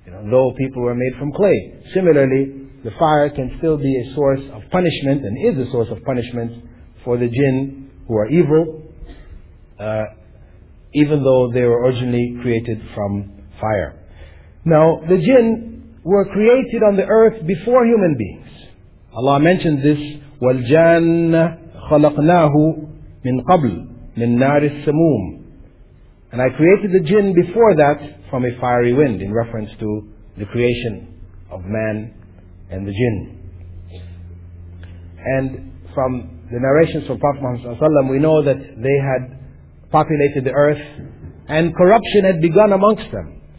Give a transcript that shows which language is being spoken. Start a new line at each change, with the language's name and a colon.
English: Though people were made from clay. Similarly, the fire can still be a source of punishment, and is a source of punishment, for the jinn who are evil, even though they were originally created from fire. Now, the jinn were created on the earth before human beings. Allah mentioned this,
Arabic: وَالْجَانَّ خَلَقْنَاهُ مِنْ قَبْلُ مِنْ نَارِ السَّمُومِ.
English: And I created the jinn before that from a fiery wind, in reference to the creation of man and the jinn. And from the narrations of Prophet Muhammad ﷺ, we know that they had populated the earth and corruption had begun amongst them.